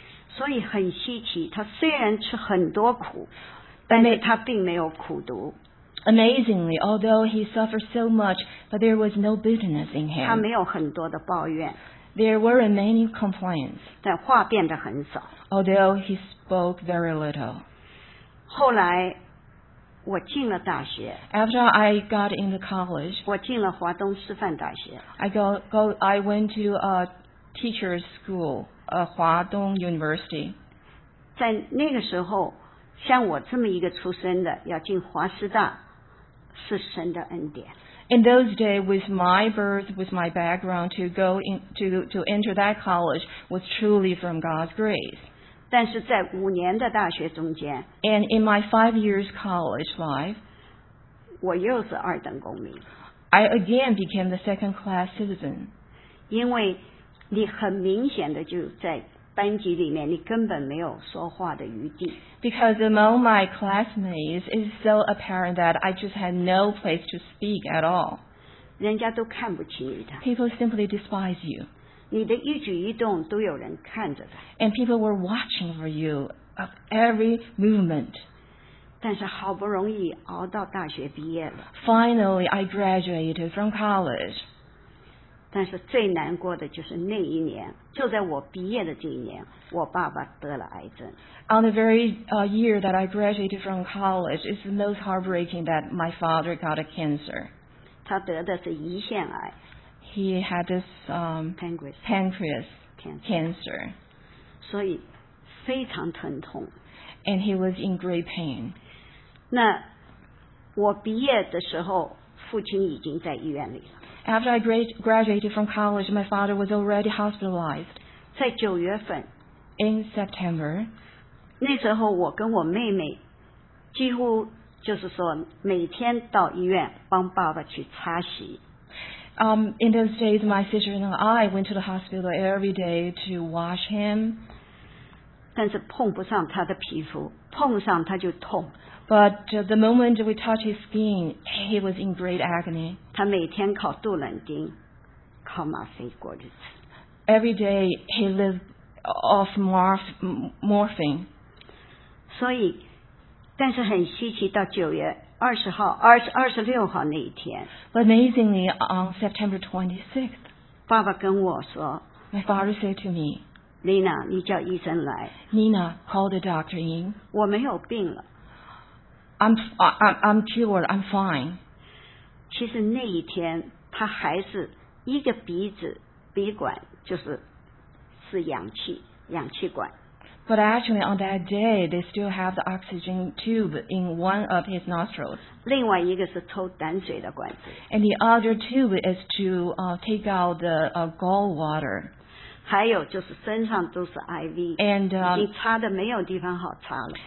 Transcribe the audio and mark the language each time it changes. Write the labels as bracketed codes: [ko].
[zh] 所以很稀奇，他虽然吃很多苦，但是他并没有苦读。 [en] Amazingly, although he suffered so much, but there was no bitterness in him. [zh] 他没有很多的抱怨。 [en] There weren't many complaints. [zh] 但话变得很少。 [en] Although he spoke very little. [zh] 后来。我进了大学。 [en] After I got into college, [zh] 我进了华东师范大学。 [en] I went to a teacher's school, 华东 University. [zh] 在那个时候，像我这么一个出身的，要进华师大，是神的恩典。 [en] In those days, with my birth, with my background, to enter that college was truly from God's grace. [zh] 但是在五年的大学中间 [en] And in my 5 years college life [zh] 我又是二等公民 [en] I again became the second class citizen [zh] 因为你很明显的就在班级里面你根本没有说话的余地 [en] Because among my classmates it's so apparent that I just had no place to speak at all [zh] 人家都看不起你的 [en] People simply despise you [zh] 你的一举一动都有人看着的。 [en] And people were watching for you of every movement. [zh] 但是好不容易熬到大学毕业了。 [en] Finally, I graduated from college. [zh] 但是最难过的就是那一年，就在我毕业的这一年，我爸爸得了癌症。 [en] On the very year that I graduated from college, it's the most heartbreaking that my father got a cancer. [zh] 他得的是胰腺癌。 [en] He had this pancreas cancer. [zh] 所以非常疼痛。 [en] And he was in great pain. [zh] 那我毕业的时候，父亲已经在医院里了。 [en] After I graduated from college, my father was already hospitalized. [zh] 在九月份。 [en] In September. [zh] 那时候我跟我妹妹几乎就是说每天到医院帮爸爸去擦洗。 [en] In those days, my sister and I went to the hospital every day to wash him. [zh] 但是碰不上他的皮肤，碰上他就痛。 [en] But the moment we touched his skin, he was in great agony. [zh] 他每天靠杜冷丁，靠吗啡过日子。 [en] Every day he lived off morphine. [zh] 所以，但是很稀奇，到九月。二十号，二十六号那一天。 [en] But amazingly, on September 26th, [zh] 爸爸跟我说 [en] ，My father said to me, [zh] "Nina, 你叫医生来。 [en] Nina, call the doctor in." [zh] 我没有病了。 [en] I'm cured. I'm fine. [zh] 其实那一天他还是一个鼻子鼻管就是氧气管。 [en] But actually, on that day, they still have the oxygen tube in one of his nostrils. [zh] 另外一个是抽胆水的管子。 [en] And the other tube is to take out the gall water. [zh] 还有就是身上都是 IV, 已经插的没有地方好插了。